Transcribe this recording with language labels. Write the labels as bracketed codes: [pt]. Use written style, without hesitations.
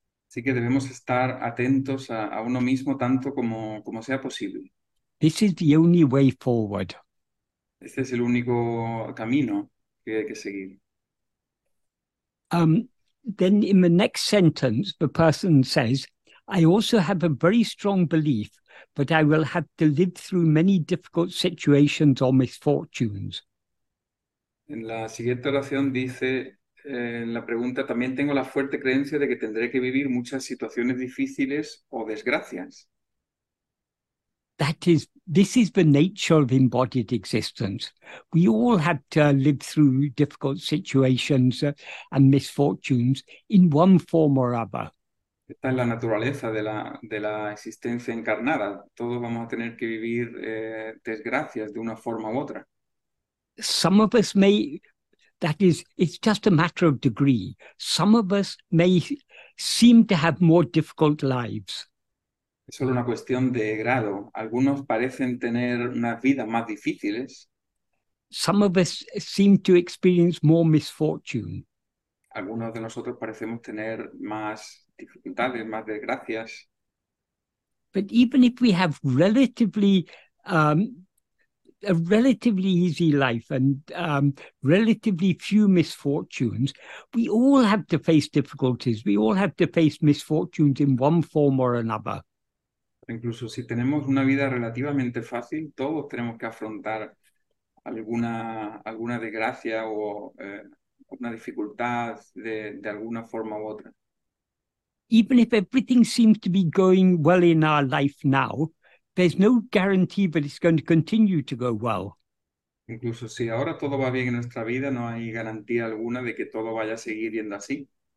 [es] Así que debemos estar atentos a uno mismo tanto como sea posible. [en] This is the only way forward. [es] Este es el único camino que hay que seguir. [en] then in the next sentence, the person says, I also have a very strong belief, but I will have to live through many difficult situations or misfortunes. [es] En la siguiente oración dice, en la pregunta, también tengo la fuerte creencia de que tendré que vivir muchas situaciones difíciles o desgracias. [en] This is the nature of embodied existence. We all have to live through difficult situations and misfortunes in one form or other. [es] Esta es la naturaleza de la existencia encarnada. Todos vamos a tener que vivir desgracias de una forma u otra. [en] Some of us may, that is, it's just a matter of degree. Some of us may seem to have more difficult lives. [es] Es solo una cuestión de grado. Algunos parecen tener unas vidas más difíciles. [en] Some of us seem to experience more misfortune. [es] Algunos de nosotros parecemos tener más dificultades, más desgracias. [en] But even if we have relatively easy life and relatively few misfortunes, we all have to face difficulties. We all have to face misfortunes in one form or another. [es] Incluso si tenemos una vida relativamente fácil, todos tenemos que afrontar alguna desgracia o una dificultad de alguna forma u otra. [en] Even if everything seems to be going well in our life now, there's no guarantee that it's going to continue to go well. [es] Incluso si ahora todo va bien en nuestra vida, no hay garantía alguna de que todo vaya a seguir yendo así.